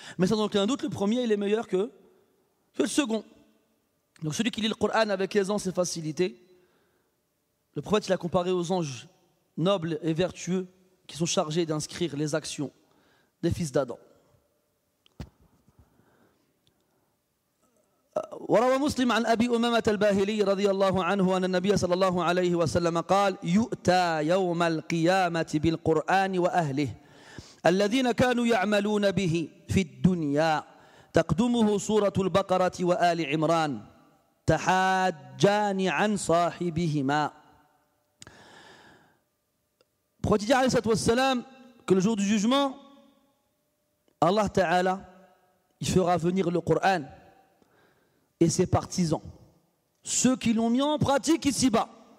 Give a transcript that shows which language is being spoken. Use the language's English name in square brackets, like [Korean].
[French] Mais sans aucun doute, le premier il est meilleur que le second. Donc celui qui lit le Coran avec aisance et facilité, le prophète l'a comparé aux anges nobles et vertueux qui sont chargés d'inscrire les actions des fils d'Adam. [Arabic] وروى مسلم عن ابي امامه الباهلي رضي الله عنه ان النبي صلى الله عليه وسلم قال يؤتى يوم القيامه بالقران واهله الذين كانوا يعملون به في الدنيا تقدمه سوره البقره وآل عمران تحاجان عن صاحبهما. [French] Pourquoi dit alayhi wa sallam que le jour du jugement, Allah Ta'ala, il fera venir le Coran et ses partisans, ceux qui l'ont mis en pratique ici-bas.